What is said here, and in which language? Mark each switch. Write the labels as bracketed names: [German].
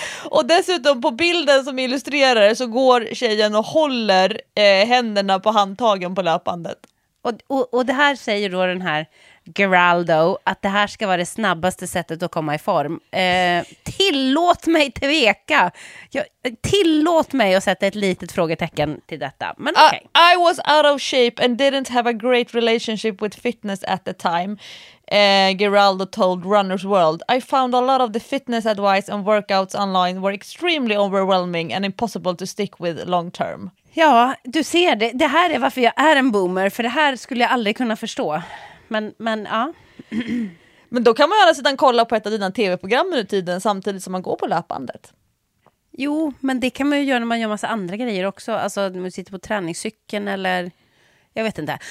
[Swedish] Och dessutom på bilden som illustrerar så går tjejen och håller händerna på handtagen på löpandet. Och det här säger då den här Geraldo att det här ska vara det snabbaste sättet att komma i form. Tillåt mig tveka. Tillåt mig att sätta ett litet frågetecken till detta. Men okay. [English] I was out of shape and didn't have a great relationship with fitness at the time. Geraldo told Runner's World. I found a lot of the fitness advice and workouts online were extremely overwhelming and impossible to stick with long term. [Swedish] Ja, du ser det. Det här är varför jag är en boomer, för det här skulle jag aldrig kunna förstå. Men ja. Men då kan man ju alla sedan kolla på ett av dina tv-program under tiden samtidigt som man går på löpandet. Jo, men det kan man ju göra när man gör massa andra grejer också. Alltså när man sitter på träningscykeln eller... Jag vet inte.